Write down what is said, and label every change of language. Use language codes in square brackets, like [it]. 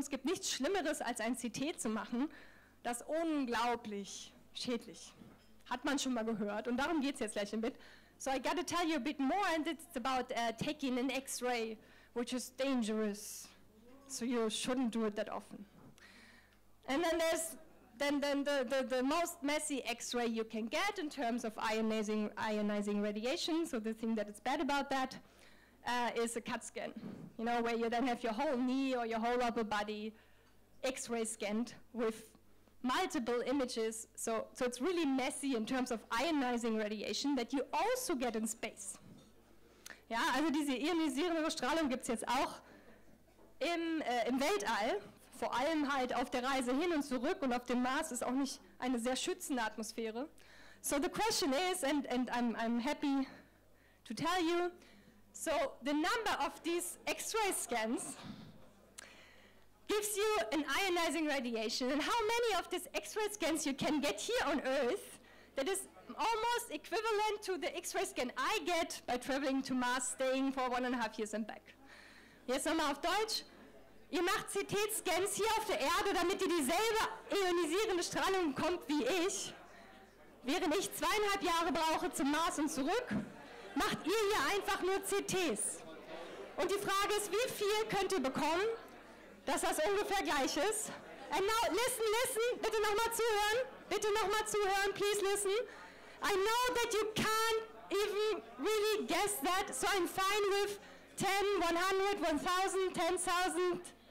[de] Und es gibt nichts Schlimmeres, als ein CT zu machen. Das ist unglaublich schädlich. Hat man schon mal gehört. Und darum geht es jetzt gleich ein bisschen. [en] So I got to tell you a bit more, and it's about taking an X-ray, which is dangerous. So you shouldn't do it that often. And then there's then the most messy X-ray you can get in terms of ionizing radiation. So the thing that is bad about that is a CAT scan, you know, where you then have your whole knee or your whole upper body X-ray scanned with multiple images. So it's really messy in terms of ionizing radiation that you also get in space. [de] Ja, also diese ionisierende Strahlung gibt es jetzt auch im Weltall, vor allem halt auf der Reise hin und zurück, und auf dem Mars ist auch nicht eine sehr schützende Atmosphäre. [en] So the question is, and I'm happy to tell you, so the number of these X-ray scans gives you an ionizing radiation, and how many of these X-ray scans you can get here on Earth that is almost equivalent to the X-ray scan I get by traveling to Mars, staying for 1.5 years and back. [de] Jetzt nochmal auf Deutsch. Ihr macht CT-Scans hier auf der Erde, damit ihr dieselbe ionisierende Strahlung bekommt wie ich. Während ich 2.5 Jahre brauche zum Mars und zurück, macht ihr hier einfach nur CTs. Und die Frage ist, wie viel könnt ihr bekommen, dass das ungefähr gleich ist? [en] And now, listen, [de] bitte nochmal zuhören. Bitte nochmal zuhören, [en] please listen. I know that you can't even really guess that, so I'm fine with 10, 100, 1,000, 10,000.